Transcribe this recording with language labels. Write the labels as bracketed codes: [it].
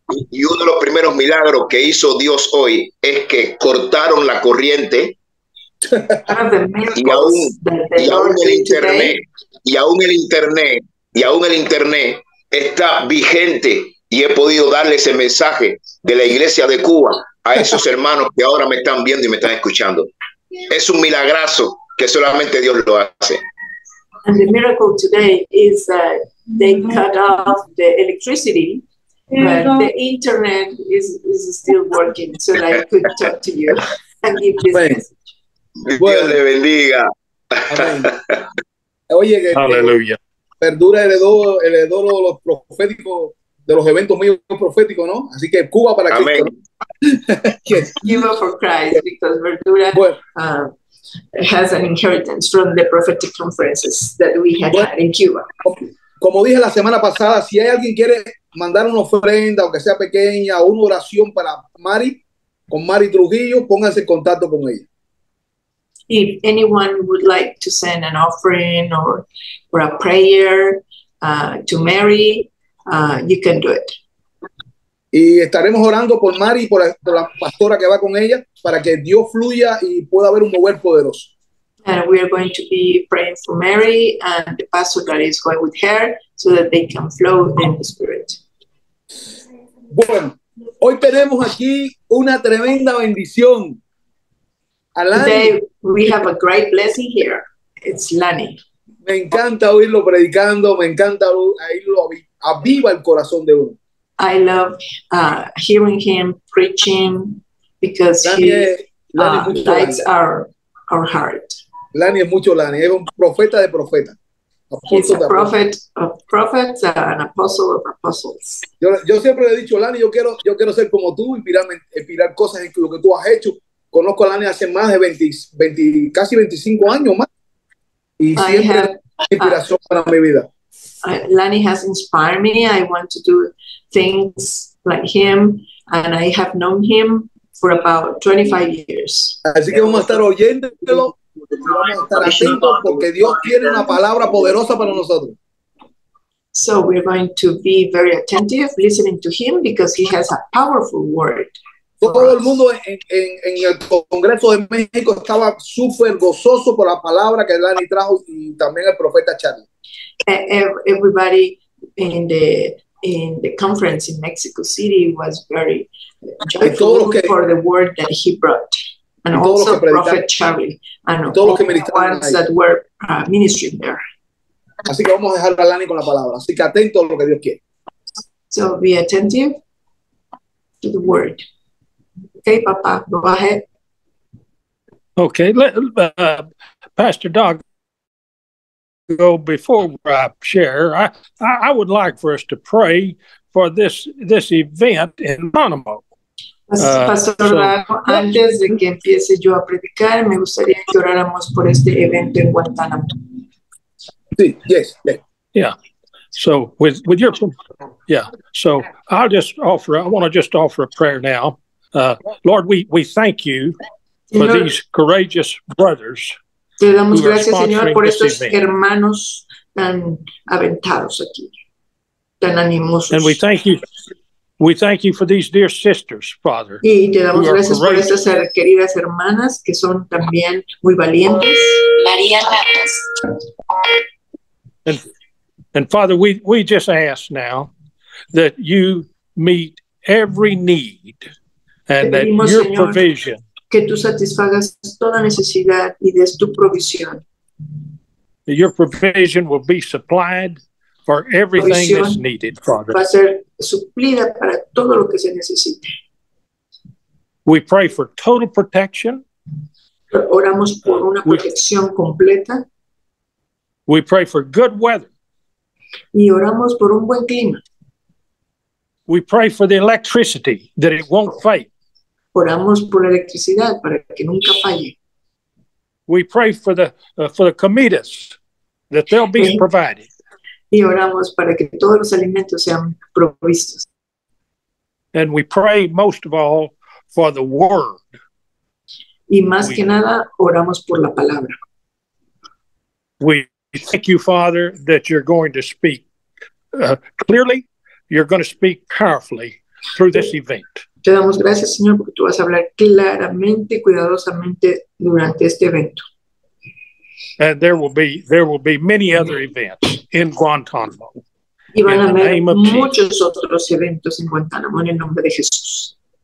[es] Y uno de los primeros milagros que hizo Dios hoy es que cortaron la corriente y aún el internet está vigente y he podido darle ese mensaje de la iglesia de Cuba a esos hermanos que ahora me están viendo y me están escuchando. Es un milagrazo que solamente Dios lo hace. [en] And the miracle today is that they cut off the electricity, but the internet is still working, so that I could talk to you and give this message. [es] Bueno. Dios le bendiga. Amén. Oye, aleluya. Perdura heredó los proféticos de los eventos míos proféticos, ¿no? Así que Cuba para Cristo. Amén. [en] Cuba for Christ, because Verdura. [es] Bueno. [en] Has an inheritance from the prophetic conferences that we had had in Cuba. [es] Como dije la semana pasada, si hay alguien quiere mandar una ofrenda, aunque sea pequeña, una oración para Mari, con Mari Trujillo, pónganse en contacto con ella. [en] If anyone would like to send an offering or a prayer to Mary, you can do it. [es] Y estaremos orando por Mari y por la pastora que va con ella para que Dios fluya y pueda haber un mover poderoso. [en] And we are going to be praying for Mary and the pastor that is going with her so that they can flow in the spirit. [es] Bueno, hoy tenemos aquí una tremenda bendición. [en] Lanny, today we have a great blessing here. It's Lanny. [es] Me encanta oírlo predicando, me encanta oírlo, aviva el corazón de uno. [en] I love hearing him preaching because he lights our heart. [es] Lanny es mucho Lanny, es un profeta de profetas. [en] He's a prophet of prophets, an apostle of apostles. [es] Yo siempre le he dicho, Lanny, yo quiero ser como tú, inspirar cosas en lo que tú has hecho. Conozco a Lanny hace más de 25 años más. Y siempre es inspiración para mi vida. [en] Lanny has inspired me. I want to do things like him, and I have known him for about 25 years. [es] Así que vamos a estar oyéndolo, vamos a estar atentos porque Dios tiene una palabra poderosa para nosotros. [en] So we're going to be very attentive listening to him because he has a powerful word. [es] Todo el mundo en el Congreso de México estaba súper gozoso por la palabra que Lanny trajo y también el profeta Charlie. [en] Everybody in the conference in Mexico City was very joyful for the word that he brought, and also Prophet Charlie and all the ones that were ministering there. [es] Así que vamos a dejar a Lanny con la palabra. Así que atento a lo que Dios quiere. [en] So be attentive to the word. Okay, Papa, go ahead. Okay, Pastor Doug. Go before I share. I would like for us to pray for this event in Panama. [es] Pastor Lago, antes de que empiece yo a predicar, me gustaría que oráramos por este evento en Guantánamo. Sí, [en] yes. Yeah. So with your yeah. So I'll just offer. I want to just offer a prayer now. Lord, we thank you for these courageous brothers. [es] Te damos gracias, Señor, por estos hermanos tan aventados aquí, tan animosos. [en] And we thank you for these dear sisters, Father. [es] Y te damos gracias por estas queridas hermanas que son también muy valientes. María. [en] And Father, we just ask now that you meet every need and that your provision. [es] Que tú satisfagas toda necesidad y des tu provisión. [en] Your provision will be supplied for everything that's needed, Father. [es] Va a ser suplida para todo lo que se necesite. [en] We pray for total protection. [es] Oramos por una protección completa. [en] We pray for good weather. [es] Y oramos por un buen clima. [en] We pray for the electricity that it won't fail. [es] Oramos por la electricidad para que nunca falle. [en] We pray for the comidas that they'll be provided. [es] Y oramos para que todos los alimentos sean provistos. [en] And we pray most of all for the word. [es] Y más que nada oramos por la palabra. [en] We thank you, Father, that you're going to speak clearly. You're going to speak powerfully through this event. [es] Te damos gracias, Señor, porque tú vas a hablar claramente, cuidadosamente durante este evento. [en] And there will be many other events in Guantánamo. [es] Y van a haber muchos otros eventos en Guantánamo en el nombre de Jesús.